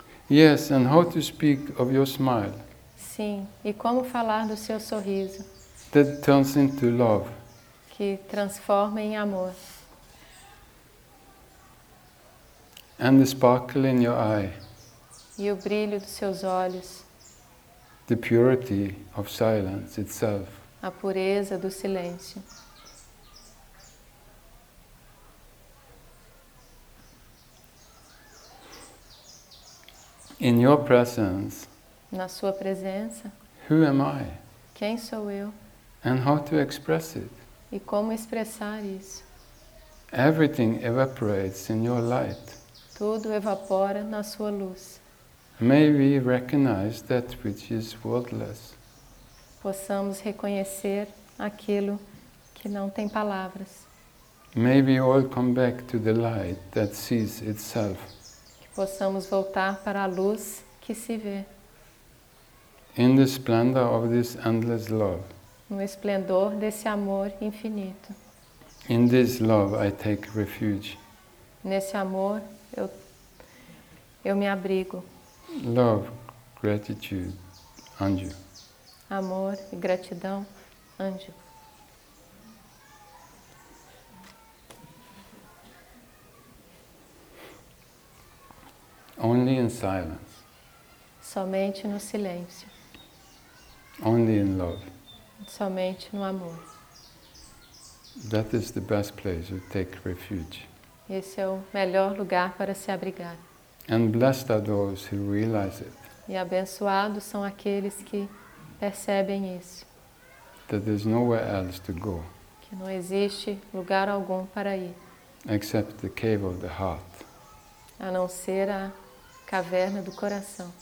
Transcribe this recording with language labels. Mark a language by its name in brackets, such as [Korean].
[English] Yes, and how to speak of your smile. [Portuguese] Sim, e como falar do seu sorriso. [English] That turns into love. [Portuguese] Que transforma em amor. [English] And the sparkle in your eye. [Portuguese] E o brilho dos seus olhos. [English] The purity of silence itself. [Portuguese] A pureza do silêncio. [English] In your presence. [Portuguese] Na sua presença. [English] Who am I? [Portuguese] Quem sou eu? [English] And how to express it? [Portuguese] E como expressar isso? [English] Everything evaporates in your light. [Portuguese] Tudo evapora na sua luz. [English] May we recognize that which is worthless. [Portuguese] Possamos reconhecer aquilo que não tem palavras. [English] May we all come back to the light that sees itself. [Portuguese] Que possamos voltar para a luz que se vê. [English] In the splendor of this endless love. [Portuguese] No esplendor desse amor infinito. [English] In this love I take refuge. [Portuguese] Nesse amor eu me abrigo. [English] Love, gratitude, Anjo. [Portuguese] Amor e gratidão, Anjo. [English] Only in silence. [Portuguese] Somente no silêncio. [English] Only in love. [Portuguese] Somente no amor. [English] That is the best place to take refuge. [Portuguese] Esse é o melhor lugar para se abrigar. [English] And blessed are those who realize it. [Portuguese] E abençoados são aqueles que percebem isso. [English] That there's nowhere else to go. [Portuguese] Que não existe lugar algum para ir. [English] Except the cave of the heart. [Portuguese] A não ser a caverna do coração.